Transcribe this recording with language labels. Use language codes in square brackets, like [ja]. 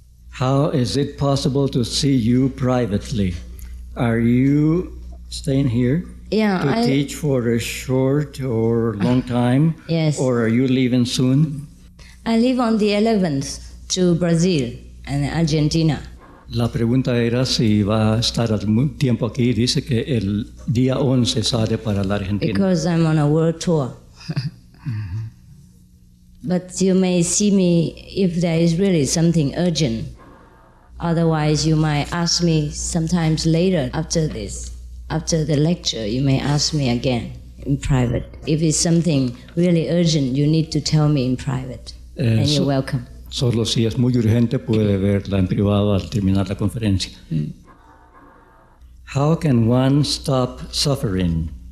[en] How is it possible to see you privately? Are you staying here to teach for a short or long time? Yes. Or are you leaving soon? I leave on the 11th to Brazil and Argentina. [es] La pregunta era si va a estar algún tiempo aquí. Dice que el día 11 sale para la Argentina. [en] Because I'm on a world tour. But you may see me if there is really something urgent. Otherwise, you might ask me sometimes later after this. After the lecture, you may ask me again in private. If it's something really urgent, you need to tell me in private. And you're welcome. [es] Solo si es muy urgente, puede verla en privado al terminar la conferencia. [en] How can one stop suffering?